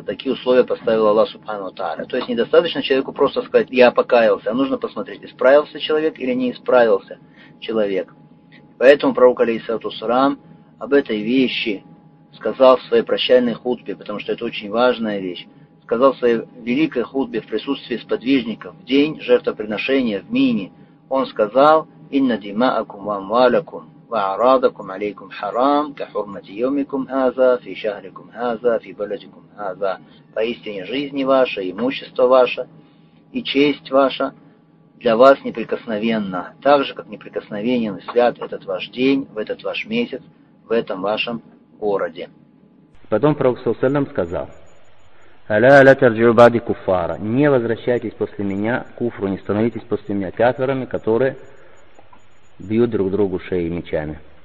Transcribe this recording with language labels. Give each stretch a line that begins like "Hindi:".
Russian: Такие условия поставил Аллах Субхану Тааля. То есть недостаточно человеку просто сказать: «Я покаялся», а нужно посмотреть, исправился человек или не исправился человек. Поэтому пророк, алейхиссалату вассалям, об этой вещи сказал в своей прощальной хутбе, потому что это очень важная вещь, сказал в своей великой хутбе в присутствии сподвижников в день жертвоприношения в Мине. Он сказал:
Arabic: «Инна димаакум ва амвалакум وأعراضكم عليكم حرام كحرمة يومكم هذا في شهركم هذا في بلدكم هذا».
Russian: Поистине жизни ваша, имущество ваше и честь ваша для вас неприкосновенна, так же как неприкосновенен и свят этот ваш день, в этот ваш месяц, в этом вашем городе. Потом пророк саллаллаху алейхи ва саллям сказал:
Arabic: «Аля ля тарджиу бади куффара»,
Russian: не возвращайтесь после меня куфру, не становитесь после меня кафирами, которые бьют друг другу шеи мечами.